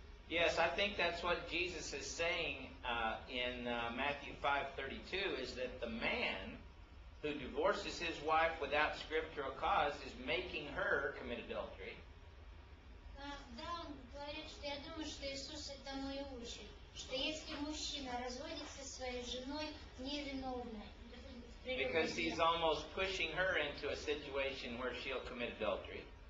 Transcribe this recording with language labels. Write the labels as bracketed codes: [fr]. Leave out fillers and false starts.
[en] Yes, I think that's what Jesus is saying in Matthew 5:32, is that the man who divorces his wife without scriptural cause is making her commit adultery. [ru] Да, он говорит, что я думаю, что Иисус этому и учит, что если мужчина разводится со своей женой невиновной. [en] Because he's almost pushing her into a situation where she'll commit adultery.